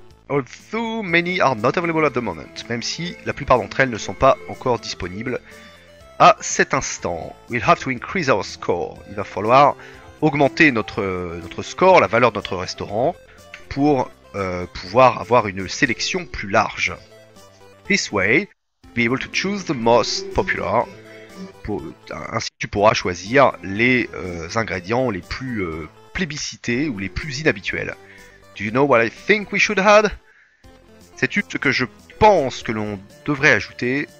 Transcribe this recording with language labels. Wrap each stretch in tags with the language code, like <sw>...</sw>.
<en>Although many are not available at the moment,</en> <fr>même si la plupart d'entre elles ne sont pas encore disponibles à cet instant.</fr> <en>We'll have to increase our score.</en> <fr>Il va falloir augmenter notre score, la valeur de notre restaurant, pour pouvoir avoir une sélection plus large.</fr> <en>This way, be able to choose the most popular.</en> <fr>Ainsi, tu pourras choisir les ingrédients les plus plébiscités ou les plus inhabituels.</fr> <en>Do you know what I think we should add?</en> <fr>Sais-tu ce que je pense que l'on devrait ajouter?</fr>